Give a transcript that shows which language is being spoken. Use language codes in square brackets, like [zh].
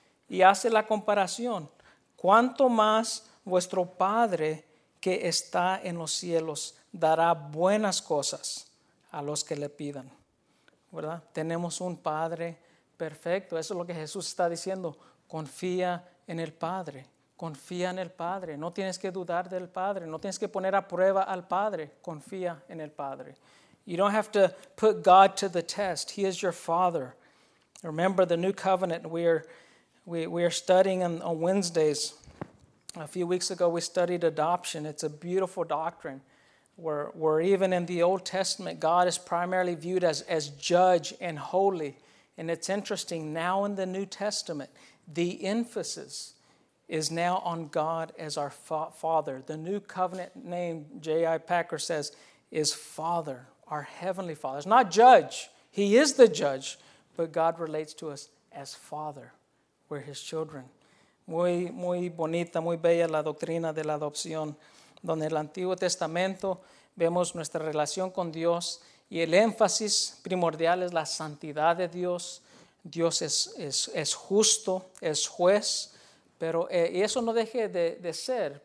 [es] Y hace la comparación. ¿Cuánto más vuestro Padre que está en los cielos dará buenas cosas a los que le pidan? ¿Verdad? Tenemos un Padre perfecto, eso es lo que Jesús está diciendo. Confía en el Padre, confía en el Padre. No tienes que dudar del Padre, no tienes que poner a prueba al Padre. Confía en el Padre. [en] You don't have to put God to the test. He is your Father. Remember the new covenant we are studying on Wednesdays. A few weeks ago we studied adoption. It's a beautiful doctrine. Where even in the Old Testament, God is primarily viewed as judge and holy. And it's interesting, now in the New Testament, the emphasis is now on God as our Father. The New Covenant name, J.I. Packer says, is Father, our Heavenly Father. It's not judge. He is the judge, but God relates to us as Father. We're His children. [es] Muy, muy bonita, muy bella la doctrina de la adopción. Donde el Antiguo Testamento vemos nuestra relación con Dios. Y el énfasis primordial es la santidad de Dios. Dios es justo, es juez, pero eso no deje de ser.